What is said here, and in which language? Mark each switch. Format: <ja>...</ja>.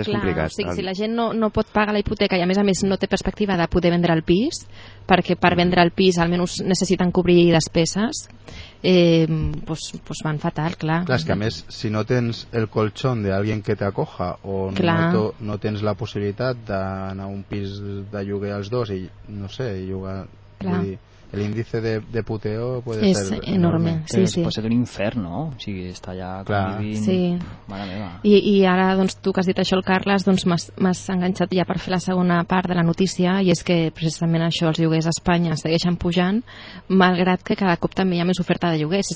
<ca>O sigui, si la gent no pot pagar la hipoteca i a més no té perspectiva de poder vendre el pis, perquè per vendre el pis almenys necessiten cobrir despeses, pues van fatal, clar. Clar, és que a més, si no tens</ca> <es>el colchón de alguien que te acoja</es> <ca>o no tens la possibilitat d'anar a un pis de lloguer als dos i, no sé, llogar... Clar. Vull dir,</ca> <es>el índice de puteo puede</es> <ca>és</ca> <es>ser enorme. Sí, sí.</es> <ca>Pot ser un infern, no? O sigui, està allà convivint... Sí. Mare meva. I ara, doncs, tu que has dit això, el Carles, doncs m'has enganxat ja per fer la segona part de la notícia, i és que precisament això, els lloguers a Espanya segueixen pujant, malgrat que cada cop també hi ha més oferta de lloguers.</ca>